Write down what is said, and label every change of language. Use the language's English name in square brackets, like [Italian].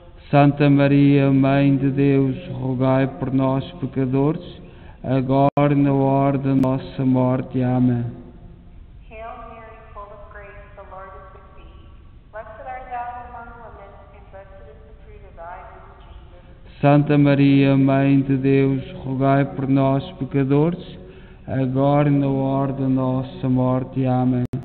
[Portuguese] Santa Maria, Mãe de Deus, rogai por nós, pecadores, agora e na hora da nossa morte. Amém. [English] Hail Mary, full of grace, the Lord is with thee. Blessed art thou among women, and blessed is the fruit of thy womb, Jesus. [Portuguese] Santa Maria, Mãe de Deus, rogai por nós, pecadores, agora e na hora da nossa morte. Amém.